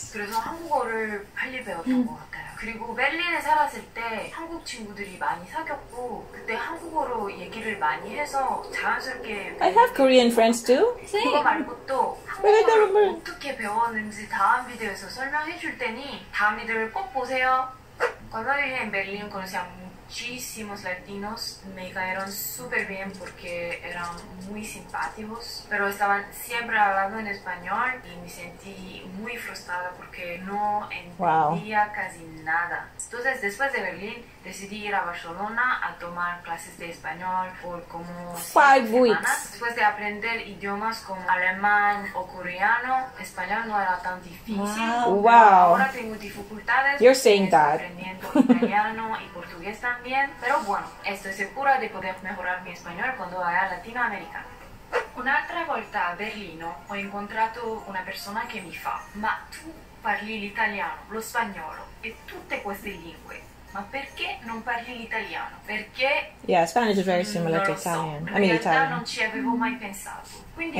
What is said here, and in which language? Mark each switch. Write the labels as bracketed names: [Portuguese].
[Korean] 그래서 한국어를 빨리 배웠던 것 같아요. 그리고 베를린에 살았을 때 한국 친구들이 많이 사귀었고 그때 한국어로 얘기를 많이 해서 자연스럽게 [English] I have Korean friends too. [Korean] 그거 말고 또 한국어를 어떻게 배웠는지 다음 비디오에서 설명해 줄 테니 다미들 꼭 보세요. [Spanish] Cuando viví en Berlín conocí a muchísimos latinos, me cayeron súper bien porque eran muy simpáticos, pero estaban siempre hablando en español y me sentí muy frustrada porque no entendía casi nada. Entonces después de Berlín decidí ir a Barcelona a tomar clases de español por como 5 semanas. Después de aprender idiomas como alemán o coreano, español no era tan difícil. Ahora tengo dificultades. [English] You're saying that. [Spanish] Aprendiendo italiano y portugués también. Pero bueno, estoy segura de poder mejorar mi español cuando vaya a Latinoamérica. [Italian] Un'altra volta a Berlino ho incontrato una persona che mi fa: ma tu parli l'italiano, lo spagnolo e tutte queste lingue. Ma perché non parli l'italiano? Perché? [English] Yeah, Spanish is very similar to Italian. So. I mean Italian. [Italian] In realtà non ci avevo mai pensato. Quindi